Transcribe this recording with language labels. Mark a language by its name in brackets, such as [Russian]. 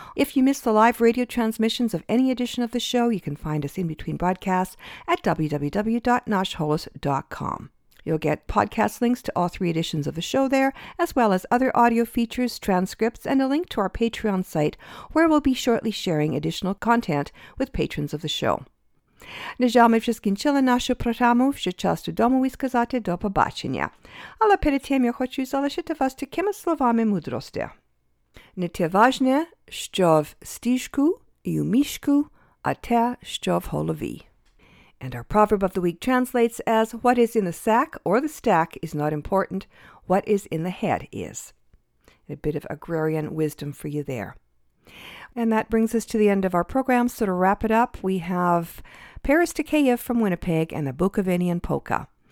[English] If you miss the live radio transmissions of any edition of the show, you can find us in between broadcasts at www.nashholos.com. You'll get podcast links to all three editions of the show there, as well as other audio features, transcripts, and a link to our Patreon site, where we'll be shortly sharing additional content with patrons of the show. [Ukrainian] Нажалми вшискінчили нашу програму, що часто дому висказати до побачення. Але перед тим я хочу залишити вас такими словами мудрості. Не те важне, що в стіжку і у мішку, а те, що в голові. [English] And our proverb of the week translates as, what is in the sack or the stack is not important, what is in the head is. A bit of agrarian wisdom for you there. And that brings us to the end of our program. So to wrap it up, we have Paris to Kiev from Winnipeg and the Bukovinian Polka.